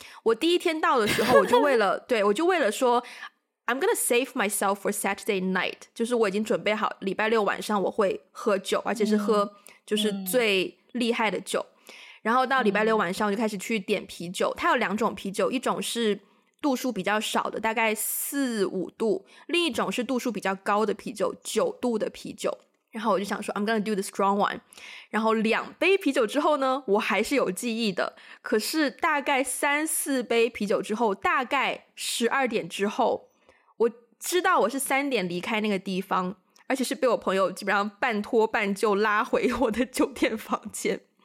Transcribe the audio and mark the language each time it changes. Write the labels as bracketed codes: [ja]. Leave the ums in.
[zh] 我第一天到的时候，我就为了 对我就为了说。 [en] I'm gonna save myself for Saturday night， [zh] 就是我已经准备好礼拜六晚上我会喝酒，而且是喝就是最厉害的酒。 Mm hmm. 然后到礼拜六晚上我就开始去点啤酒，它有两种啤酒，一种是度数比较少的，大概四五度，另一种是度数比较高的啤酒，九度的啤酒。然后我就想说， [en] I'm gonna do the strong one。 [zh] 然后两杯啤酒之后呢，我还是有记忆的。可是大概三四杯啤酒之后，大概十二点之后。知道我是三点离开那个地方，而且是被我朋友基本上半拖半就拉回我的酒店房间。